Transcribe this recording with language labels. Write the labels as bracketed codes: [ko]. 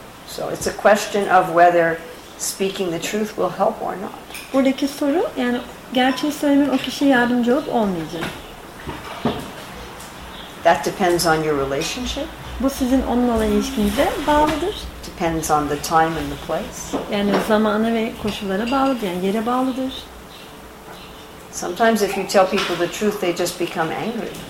[en] So it's a question of whether speaking the truth will help or not. [tr] Buradaki soru yani gerçeği söylemek o kişiye yardımcı olup olmayacak. [en] That depends on your relationship. [tr] Bu sizin onunla olan ilişkinize bağlıdır. [en] Depends on the time and the place. [tr] Yani zamana ve koşullara bağlıdır, yani yere bağlıdır. [en] Sometimes if you tell people the truth, they just become angry.